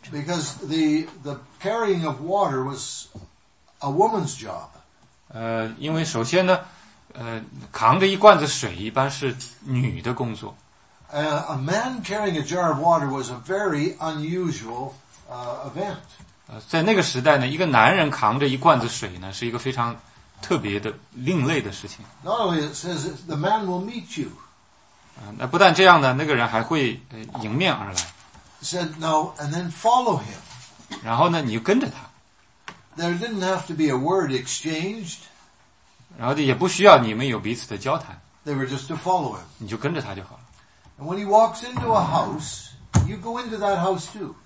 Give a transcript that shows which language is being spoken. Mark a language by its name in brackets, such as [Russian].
[English] Because the carrying of water was a woman's job. [Chinese] 因为首先呢，扛着一罐子水一般是女的工作。 [English] A man carrying a jar of water was a very unusual event. [Chinese] 在那个时代呢，一个男人扛着一罐子水呢，是一个非常特别的、另类的事情。 [English] Not only it says the man will meet you. [Chinese] 那不但这样呢，那个人还会迎面而来。 [English] Said no, and then follow him. [Chinese] 然后呢，你就跟着他。 [English] There didn't have to be a word exchanged. [Chinese] 然后也不需要你们有彼此的交谈。 [English] They were just to follow him. [Chinese] 你就跟着他就好了。 [English] And when he walks into a house, you go into that house too.